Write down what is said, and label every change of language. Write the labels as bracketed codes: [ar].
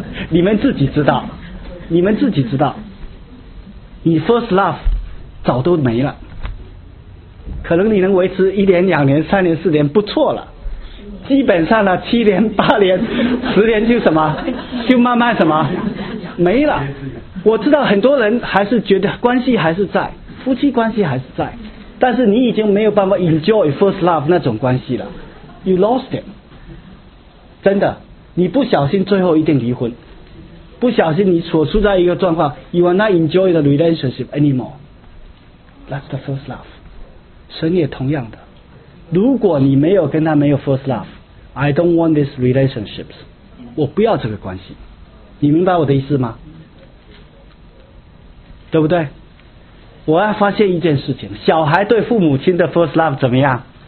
[zh] 你们自己知道，你们自己知道，你 first love 早都没了，可能你能维持一年、两年、三年、四年不错了，基本上呢七年、八年、十年就什么，就慢慢什么没了。我知道很多人还是觉得关系还是在，夫妻关系还是在，但是你已经没有办法 enjoy first love 那种关系了， [en] you lost it， [zh] 真的，你不小心最后一定离婚。不小心你所处在一个状况 [en] You are not enjoy the relationship anymore. That's the first love. [zh] 神也同样的，如果你没有跟他没有 first love， [en] I don't want this relationship， [zh] 我不要这个关系，你明白我的意思吗？对不对？我要发现一件事情，小孩对父母亲的 first love 怎么样？